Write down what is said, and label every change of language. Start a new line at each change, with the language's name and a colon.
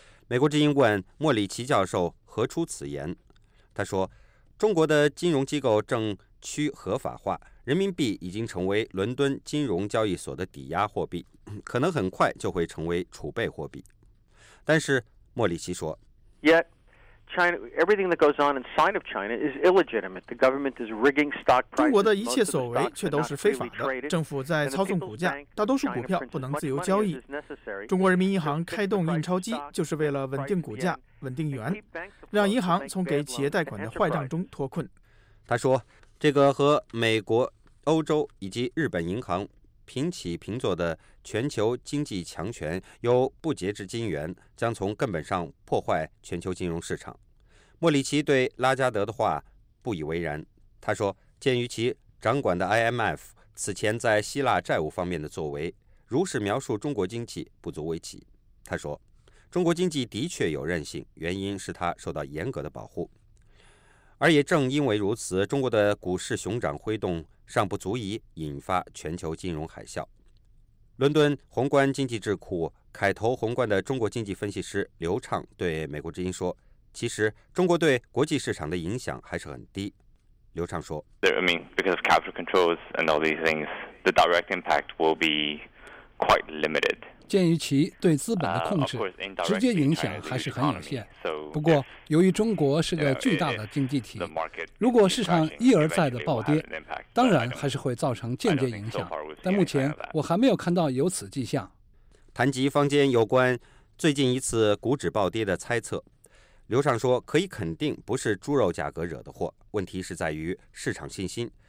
Chinese: 美国之音问莫里奇教授何出此言，他说，中国的金融机构正趋合法化，人民币已经成为伦敦金融交易所的抵押货币，可能很快就会成为储备货币。但是莫里奇说，
English: Yet, China, everything that goes on inside of China is illegitimate. The government is rigging stock prices.
Chinese: 中国的一切所为却都是非法的。政府在操纵股价，大多数股票不能自由交易。中国人民银行开动印钞机，就是为了稳定股价、稳定元，让银行从给企业贷款的坏账中脱困。他说，这个和美国、欧洲以及日本银行平起平坐的全球经济强权有不洁之金源，将从根本上破坏全球金融市场。莫里奇对拉加德的话不以为然，他说，鉴于其掌管的 IMF 此前在希腊债务方面的作为，如是描述中国经济不足为奇。他说，中国经济的确有韧性，原因是它受到严格的保护，而也正因为如此，中国的股市熊掌挥动尚不足以引发全球金融海啸。伦敦宏观经济智库凯投宏观的中国经济分析师刘畅对美国之音说，其实中国对国际市场的影响还是很低。刘畅说，
English: I mean, because of capital controls and all these things, the direct impact will be quite limited.
Chinese: 鉴于其对资本的控制，直接影响还是很有限。不过由于中国是个巨大的经济体，如果市场一而再的暴跌，当然还是会造成间接影响，但目前我还没有看到有此迹象。谈及坊间有关最近一次股指暴跌的猜测，刘畅说，可以肯定不是猪肉价格惹的祸，问题是在于市场信心。